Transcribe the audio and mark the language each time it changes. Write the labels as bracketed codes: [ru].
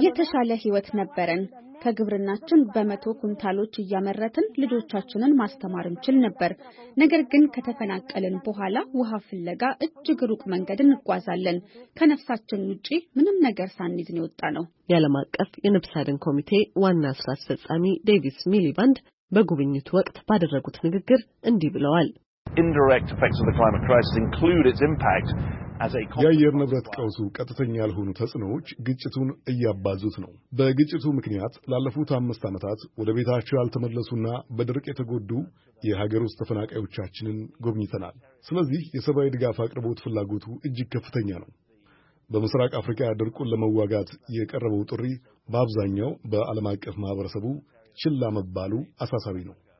[am] የተሻለ ህይወት ነበርን። ከግብርናችን በመቶ ኩንታሎች እያመረትን ልጆቻችንን ማስተማር እንችል ነበር። ነገር ግን ከተፈናቀልን በኋላ ውሃ ፍለጋ እጅግ ሩቅ መንገድን እንጓዛለን። ከነፍሳችን ውጪ ምንም ነገር ሳንይዝ ነው የወጣነው። የዓለም አቀፍ የነፍስ አድን ኮሚቴ ዋና ስራ አስፈጻሚ ዴቪስ ሚሊባንድ በጉብኝቱ ወቅት ባደረጉት ንግግር እንዲህ ብለዋል። [en] Indirect effects of the climate crisis include its impact [am] የአየር ንብረት ቀውሱ ቀጥተኛ ያልሆኑ ተጽዕኖዎች ግጭቱን እያባዙት ነው። በግጭቱ ምክንያት ላለፉት 5 አመታት ወደ ቤታቸው ያልተመለሱና በድርቅ የተጎዱ የሀገር ውስጥ ተፈናቃዮቻችንን ጎብኝተናል። ስለዚህ የሰብአዊ ድጋፍ አቅርቦት ፍላጎቱ እጅግ ከፍተኛ ነው። በምስራቅ አፍሪካ ድርቁን ለመዋጋት የቀረበው ጥሪ በአብዛኛው በዓለም አቀፍ ማህበረሰቡ ችላ መባሉ አሳሳቢ ነው።